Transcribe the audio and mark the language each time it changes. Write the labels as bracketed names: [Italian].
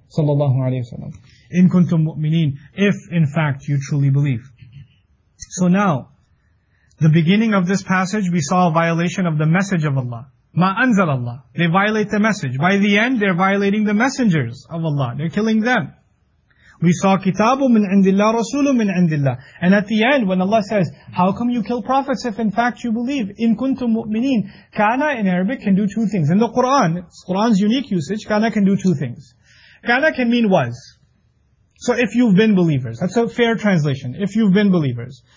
[Arabic] Sallallahu alayhi wa sallam. إِنْ كُنْتُمْ مُؤْمِنِينَ. [English] If in fact you truly believe. So now, the beginning of this passage, we saw a violation of the message of Allah. [Arabic] مَا أَنزَلَ اللَّهِ. [English] They violate the message. By the end, they're violating the messengers of Allah. They're killing them. We saw [Arabic] كِتَابٌ مِنْ عِنْدِ اللَّهِ رَسُولٌ مِنْ عِنْدِ اللَّهِ. [English] And at the end, when Allah says, how come you kill prophets if in fact you believe? [Arabic] إِن كُنْتُم مُؤْمِنِينَ. [English] كَانَ in Arabic can do two things. In the Quran, Quran's unique usage, كَانَ can do two things. كَانَ can mean was. So if you've been believers, that's a fair translation, if you've been believers.